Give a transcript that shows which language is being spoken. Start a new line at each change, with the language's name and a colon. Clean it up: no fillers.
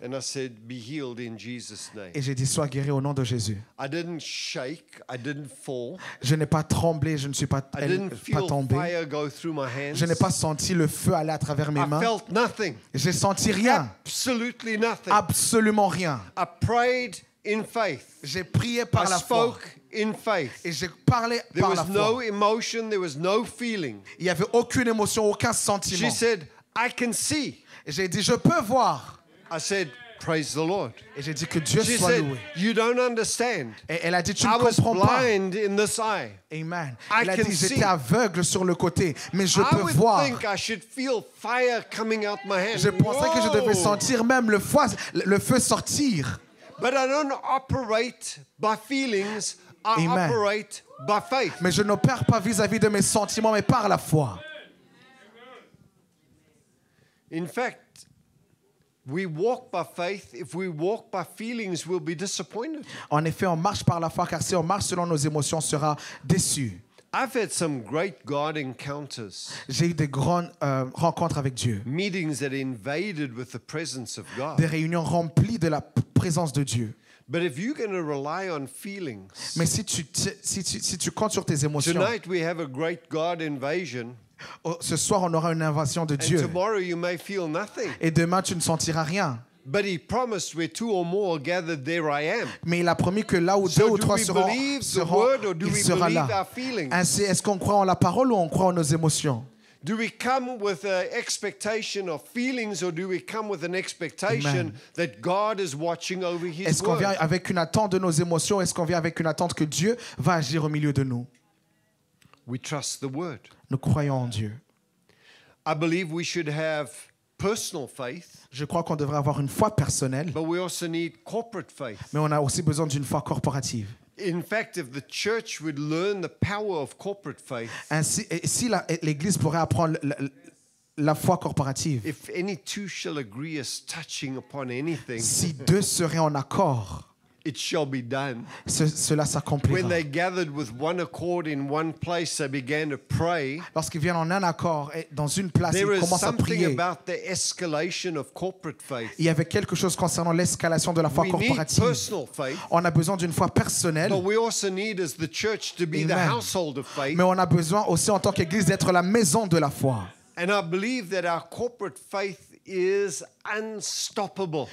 English: And I said, be healed in Jesus' name.
French: Et j'ai dit, sois guéri au nom de Jésus.
English: I didn't shake. I didn't fall.
French: Je n'ai pas tremblé. Je ne suis pas tombé.
English: I didn't feel fire go through my hands.
French: Je n'ai pas senti le feu aller à travers mes mains.
English: I felt nothing.
French: J'ai senti rien.
English: Absolutely nothing.
French: Absolument rien.
English: I prayed in faith.
French: J'ai prié par la foi.
English: In faith.
French: Et j'ai parlé
English: there
French: par
English: was
French: la foi.
English: No emotion, there was no feeling.
French: Il y avait aucune émotion, aucun sentiment.
English: She said, I can see.
French: Et j'ai dit, je peux voir.
English: I said, praise the Lord.
French: Et j'ai dit que Dieu
English: she
French: soit
English: said,
French: loué.
English: You don't understand.
French: Et elle a dit, tu
English: I
French: ne comprends
English: was blind
French: pas.
English: In this eye.
French: Amen.
English: I
French: elle a
English: can
French: dit,
English: see.
French: J'étais aveugle sur le côté, mais je
English: I
French: peux voir.
English: Think I should feel fire coming out my hand.
French: Je pensais Whoa. Que je devais sentir même le feu sortir.
English: But I don't operate by feelings. I
French: Amen.
English: Operate by faith.
French: Mais je n'opère pas vis-à-vis de mes sentiments, mais par la foi.
English: In fact, we walk by faith. If we walk by feelings, we'll be disappointed.
French: En effet, on marche par la foi, car si on marche selon nos émotions, on sera déçu.
English: I've had some great God encounters.
French: J'ai eu des grandes rencontres avec Dieu.
English: Meetings that invaded with the presence of God.
French: Des réunions remplies de la présence de Dieu.
English: But if you're going to rely on feelings.
French: Mais si tu comptes sur tes émotions.
English: Tonight we have a great God invasion.
French: Ce soir on aura une invasion de Dieu.
English: And tomorrow you may feel nothing.
French: Et demain tu ne sentiras rien.
English: But he promised where two or more are gathered, there I am.
French: Mais il a promis que là où
English: so
French: deux ou trois seront, il sera là. Ainsi, est-ce qu'on croit en la parole ou on croit en nos émotions?
English: Do we come with an expectation of feelings, or do we come with an expectation
French: Amen.
English: That God is watching over His word?
French: Est-ce qu'on vient avec une attente de nos émotions? Est-ce qu'on vient avec une attente que Dieu va agir au milieu de nous?
English: We trust the word.
French: Nous croyons en Dieu.
English: I believe we should have personal faith.
French: Je crois qu'on devrait avoir une foi personnelle.
English: But we also need corporate faith.
French: Mais on a aussi besoin d'une foi corporative.
English: In fact, if the church would learn the power of corporate faith.
French: Ainsi, si l'Église pourrait apprendre la foi corporative.
English: If any two shall agree as touching upon anything.
French: Si deux seraient en accord.
English: It shall be done.
French: Cela s'accomplira.
English: When they gathered with one accord in one place, they began to pray.
French: Lorsqu'ils viennent en un accord dans une place, ils commencent à prier.
English: There is something about the escalation of corporate faith.
French: Il y avait quelque chose concernant l'escalation de la foi corporative.
English: We need personal faith.
French: On a besoin d'une foi personnelle.
English: But we also need, as the church, to be the household of faith.
French: Mais on a besoin aussi en tant qu'église d'être la maison de la foi.
English: And I believe that our corporate faith is unstoppable.